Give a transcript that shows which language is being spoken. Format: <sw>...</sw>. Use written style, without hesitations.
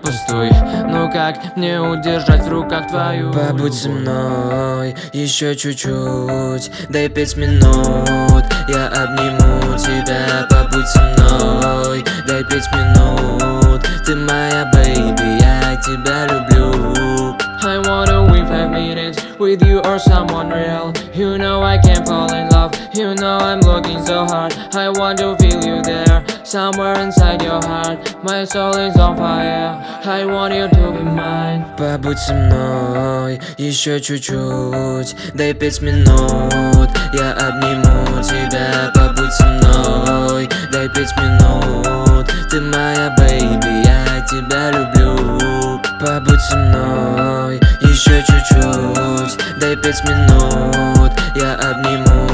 <ru>Пустой, ну как мне удержать в руках твою любовь? Побудь со мной еще чуть-чуть, дай 5 минут, я обниму тебя. Побудь со мной, дай 5 минут, ты моя бэйби, я тебя люблю.</ru> <en>I wanna wait 5 minutes with you or someone real. You know I can't fall in love, you know I'm looking so hard. I want to feel you there, somewhere inside your heart. My soul is on fire, I want you to be mine.</en> <ru>Побудь со мной еще чуть-чуть, дай 5 минут, я обниму тебя. Побудь со мной, дай 5 минут, ты моя baby, я тебя люблю. Побудь со мной еще чуть-чуть, дай 5 минут, я обниму.</ru>